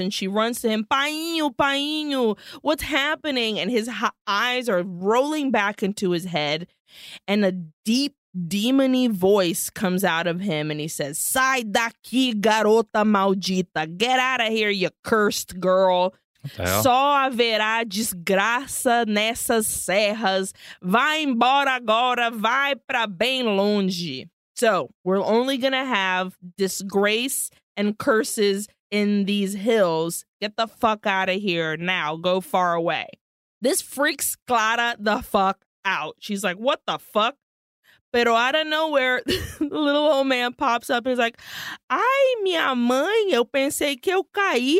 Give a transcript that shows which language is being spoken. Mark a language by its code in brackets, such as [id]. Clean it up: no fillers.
[en] And she runs to him, painho, painho, what's happening? And his eyes are rolling back into his head. And a deep, demon-y voice comes out of him and he says, [pt] sai daqui, garota maldita. [en] Get out of here, you cursed girl. [pt] Só haverá desgraça nessas serras. Vai embora agora, vai pra bem longe. [en] So we're only going to have disgrace and curses in these hills. Get the fuck out of here now. Go far away. This freaks Clara the fuck out. She's like, what the fuck? [es] Pero [en] out of nowhere, the little old man pops up and is like, [es] ay, mi amor, yo pensé que yo caí.